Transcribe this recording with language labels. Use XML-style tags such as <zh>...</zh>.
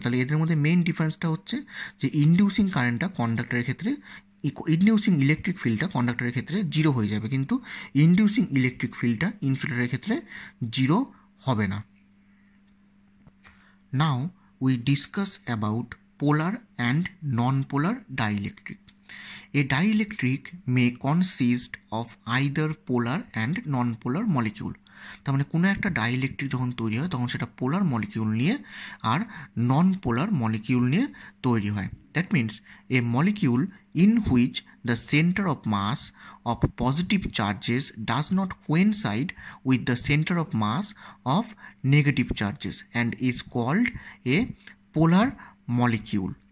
<bn>তাহলে এদের মধ্যে মেইন ডিফারেন্সটা হচ্ছে যে ইনডিউসিং কারেন্টটা কন্ডাক্টরের ক্ষেত্রে ইনডিউসিং ইলেকট্রিক ফিল্ডটা কন্ডাক্টরের ক্ষেত্রে জিরো হয়ে যাবে কিন্তু ইনডিউসিং ইলেকট্রিক ফিল্ডটা ইনসুলেটরের ক্ষেত্রে জিরো হবে না। নাও</bn> <en>we discuss about polar and non-polar dielectric. A dielectric may consist of either polar and non-polar molecule.</en> <bn>তার মানে কোনো একটা ডাইইলেকট্রিক যখন তৈরি হয় তখন সেটা পোলার মলিকিউল নিয়ে আর নন পোলার মলিকিউল নিয়ে তৈরি হয়।</bn> <en>That means a molecule in which the centre of mass of positive charges does not coincide with the centre of mass of negative charges and is called a polar molecule.</en>